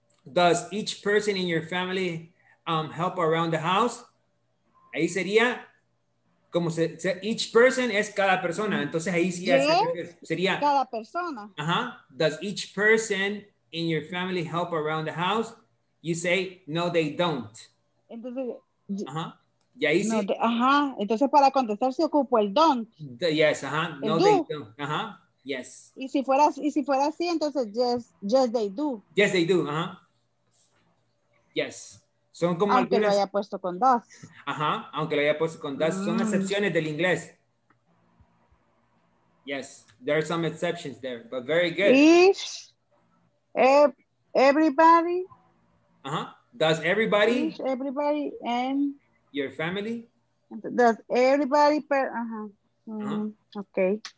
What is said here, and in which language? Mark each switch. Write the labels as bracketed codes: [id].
[en] Does each person in your family help around the house? [es] Ahí sería, como se, each person es cada persona. Entonces ahí sí es, sería cada persona. Uh-huh. [en] Does each person in your family help around the house? You say, no, they don't. [es] Entonces, uh-huh. Y ahí no, sí. Entonces para contestar si ocupo el don't. [en] Yes, uh-huh. No, do. They don't. Uh-huh. Yes. [es] Y si fuera así, entonces [en] yes they do. Yes, they do, uh-huh. Yes, [es] son como aunque algunas... lo haya puesto con das. Ajá, aunque lo haya puesto con das, son excepciones del inglés. [en] Yes, there are some exceptions there, but very good. Each, everybody. Ajá, does everybody. Each, everybody, and. Your family. Does everybody, pero, ajá. Uh-huh. Okay.